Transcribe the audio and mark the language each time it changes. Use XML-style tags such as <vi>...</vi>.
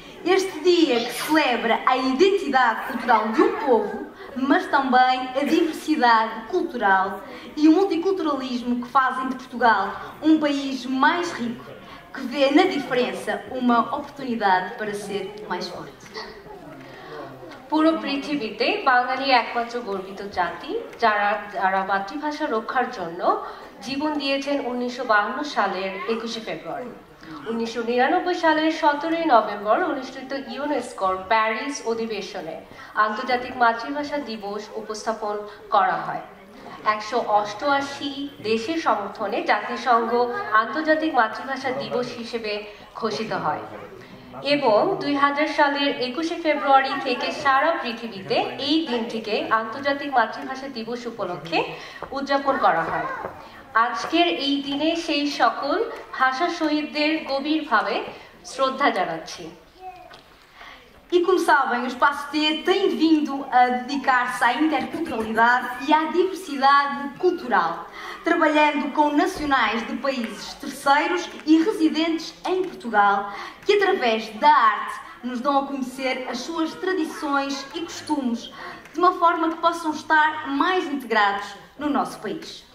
<pt>Este dia que celebra a identidade cultural de um povo, mas também a diversidade cultural e o multiculturalismo que fazem de Portugal um país mais rico, que vê na diferença uma oportunidade para ser mais forte.</pt> <bn>পুরো পৃথিবীতে বাঙালি একমাত্র গর্বিত জাতি যারা মাতৃভাষা রক্ষার জন্য জীবন দিয়েছেন 1952 সালের 21 ফেব্রুয়ারি 1999 সালের 17 নভেম্বর অনুষ্ঠিত ইউনেস্কোর প্যারিস অধিবেশনে আন্তর্জাতিক মাতৃভাষা দিবস উপস্থাপন করা হয়। 188 দেশের সমর্থনে জাতিসংঘ আন্তর্জাতিক মাতৃভাষা দিবস হিসেবে ঘোষিত হয়। এবং 2000 সালের 21 ফেব্রুয়ারি থেকে সারা পৃথিবীতে এই দিনটিকে আন্তর্জাতিক মাতৃভাষা দিবস উপলক্ষে উদযাপন করা হয়। আজকের এই দিনে সেই সকল ভাষা শহীদদের গভীরভাবে শ্রদ্ধা জানাচ্ছি।</bn> <pt>E como sabem, o Espaço T tem vindo a dedicar-se à interculturalidade e à diversidade cultural, trabalhando com nacionais de países terceiros e residentes em Portugal, que através da arte nos dão a conhecer as suas tradições e costumes, de uma forma que possam estar mais integrados no nosso país.</pt>